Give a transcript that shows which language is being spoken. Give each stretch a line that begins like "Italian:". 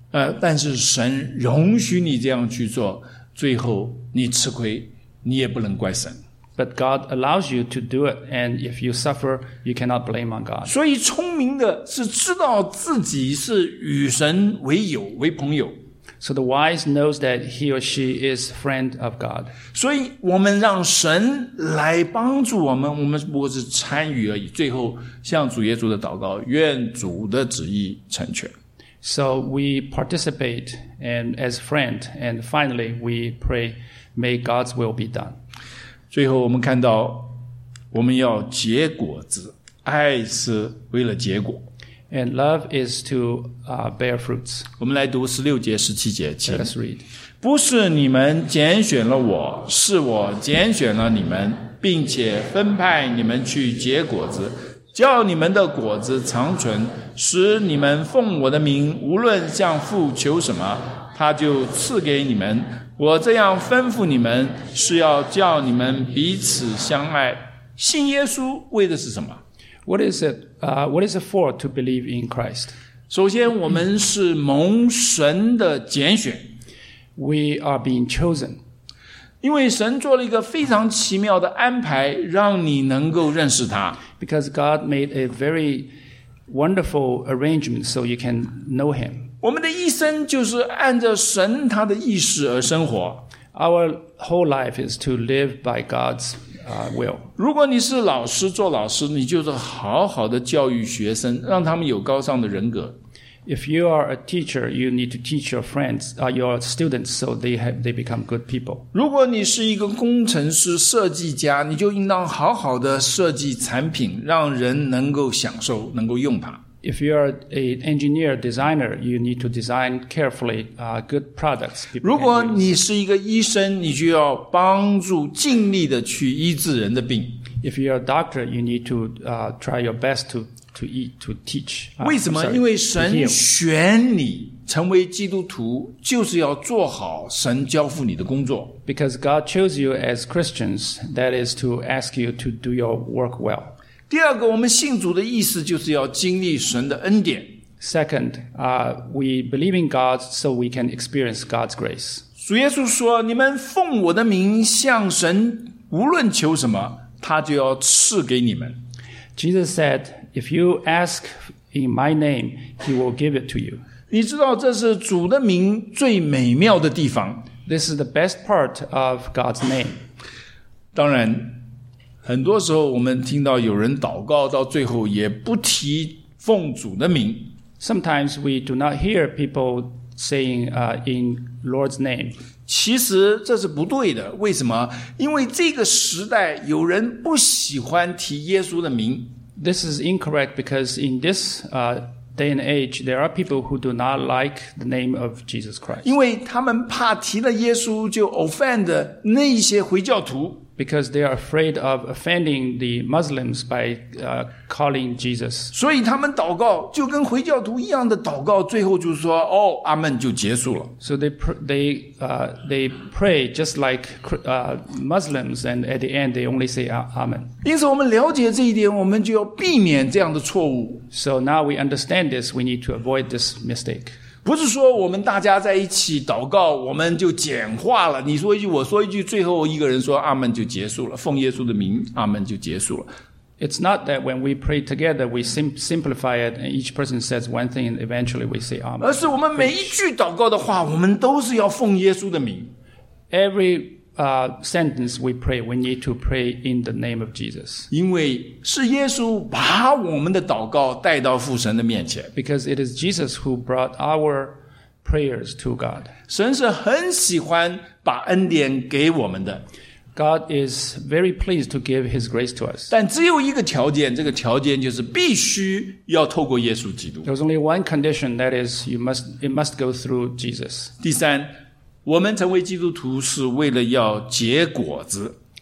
Chinese: 但是神容许你这样去做，最后你吃亏，你也不能怪神。
English: But God allows you to do it, and if you suffer, you cannot blame on God.
Chinese: 所以聪明的是知道自己是与神为友，为朋友。
English: So the wise knows that he or she is friend of God.
Chinese: 所以我们让神来帮助我们，我们不过是参与而已。最后向主耶稣的祷告，愿主的旨意成全。
English: So we participate and as friend, and finally we pray, may God's will be done.
Chinese: 最后我们看到我们要结果子，爱是为了结果。
English: And love is to bear fruits.
Chinese: 我们来读16节17节，请。
English: Let's read.
Chinese: 不是你们拣选了我，是我拣选了你们，并且分派你们去结果子，叫你们的果子长存，使你们奉我的名无论向父求什么，他就赐给你们。我这样吩咐你们，是要叫你们彼此相爱。信耶稣为的是什么？
English: What is it for to believe in Christ?
Chinese: 首先我们是蒙神的拣选。
English: We are being chosen.
Chinese: 因为神做了一个非常奇妙的安排，让你能够认识他。
English: Because God made a very wonderful arrangement so you can know him.
Chinese: 我们的一生就是按照神他的意思而生活。
English: Our whole life is to live by God's will.
Chinese: 如果你是老师，做老师，你就是好好的教育学生，让他们有高尚的人格。
English: If you are a teacher, you need to teach your friends, your students, so they become good people.
Chinese: 如果你是一个工程师、设计家，你就应当好好的设计产品，让人能够享受，能够用它。
English: If you are an engineer, designer, you need to design carefully, good products.
Chinese: 如果你是一个医生，你就要帮助尽力的去医治人的病。
English: If you are a doctor, you need to, try your best to teach.
Chinese: 为什么？
English: Sorry,
Chinese: 因为神选你成为基督徒，就是要做好神交付你的工作。
English: Because God chose you as Christians, that is to ask you to do your work well.
Chinese: 第二个，我们信主的意思就是要经历神的恩典。
English: Second, we believe in God so we can experience God's grace.
Chinese: 主耶稣说，你们奉我的名向神无论求什么，他就要赐给你们。
English: Jesus said, if you ask in my name, he will give it to you.
Chinese: 你知道这是主的名最美妙的地方。
English: This is the best part of God's name.
Chinese: 当然很多时候我们听到有人祷告到最后也不提奉主的名。
English: Sometimes we do not hear people saying, in Lord's name.
Chinese: 其实这是不对的。为什么？因为这个时代有人不喜欢提耶稣的名。
English: This is incorrect because in this day and age, there are people who do not like the name of Jesus Christ.
Chinese: 因为他们怕提了耶稣就 offend 那些回教徒。
English: Because they are afraid of offending the Muslims by calling Jesus.
Chinese: 所以他们祷告就跟回教徒一样的祷告，最后就说哦，阿们就结束了。
English: So they pray just like Muslims, and at the end they only say Amen.
Chinese: 因此我们了解这一点，我们就要避免这样的错误。
English: So now we understand this, we need to avoid this mistake.
Chinese: 不是说我们大家在一起祷告我们就简化了，你说一句我说一句，最后一个人说阿们就结束了，奉耶稣的名阿们就结束了。
English: It's not that when we pray together we simplify it and each person says one thing and eventually we say Amen.
Chinese: 而是我们每一句祷告的话我们都是要奉耶稣的名。
English: Every sentence we pray we need to pray in the name of Jesus.
Chinese: 因为是耶稣把我们的祷告带到父神的面前。
English: Because it is Jesus who brought our prayers to God.
Chinese: 神是很喜欢把恩典给我们的。
English: God is very pleased to give his grace to us.
Chinese: 但只有一个条件，这个条件就是必须要透过耶稣基督。
English: There's only one condition, that is it must go through Jesus.
Chinese: 第三，我们成为基督徒是为了要结果子。